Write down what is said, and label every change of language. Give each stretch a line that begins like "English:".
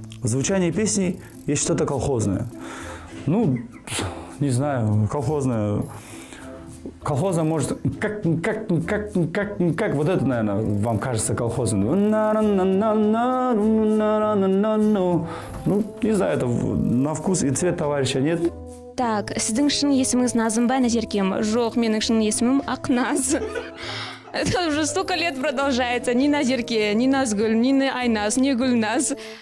Russian: В звучании песни есть что-то колхозное. Ну, не знаю, колхозное. Колхозное может... Как вот это, наверное, вам кажется колхозным. Ну, не знаю, это на вкус и цвет товарища, нет?
Kazakh: Так, сіздің шын есімі Назымбай Назеркем. Жоқ, менің шын есімім Акназ.
Russian: Это уже столько лет продолжается. Ни Назерке, ни Назгуль, ни на Айназ, ни Гульназ.